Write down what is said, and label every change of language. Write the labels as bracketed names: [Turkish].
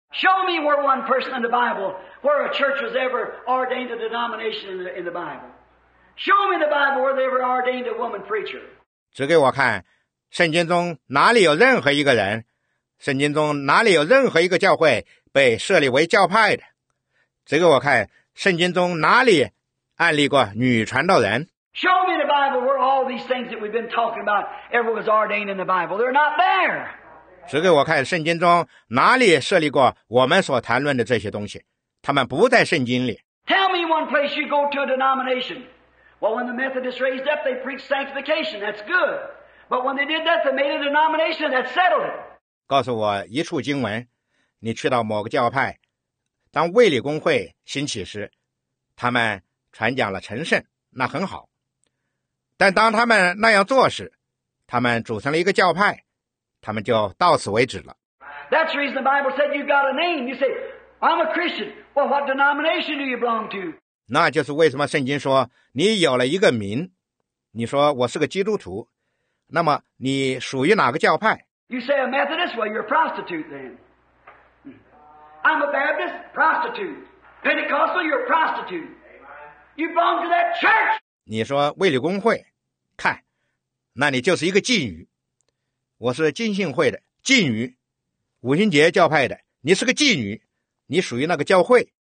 [English] Show me where one person in the Bible where a church was ever ordained a denomination in the Bible. Show me the Bible where they ever ordained a woman preacher. [Chinese] 指给我看，圣经中哪里有任何一个人，圣经中哪里有任何一个教会被设立为教派的？指给我看。圣经中哪里案例过女传道人？ [English] Show me the Bible where all these things that we've been talking about ever was ordained in the Bible. They're not there. [Chinese] 指给我看圣经中哪里设立过我们所谈论的这些东西，他们不在圣经里。 [English] Tell me one place you go to a denomination. Well, when the Methodists raised up, they preached sanctification. That's good. But when they did that, they made a denomination that settled it. [Chinese] 告诉我一处经文，你去到某个教派。当卫理公会兴起时，他们传讲了成圣，那很好。但当他们那样做时，他们组成了一个教派，他们就到此为止了。 [English] That's the reason the Bible said you've got a name. You say, I'm a Christian. Well, what denomination do you belong to? [Chinese] 那就是为什么圣经说你有了一个名，你说我是个基督徒，那么你属于哪个教派？ [English] You say a Methodist? Well, you're a prostitute then. I'm a Baptist, prostitute. Pentecostal, you're a prostitute. You belong to that church. [Chinese] 你说卫理公会，看，那你就是一个妓女。我是浸信会的妓女，五旬节教派的，你是个妓女，你属于那个教会。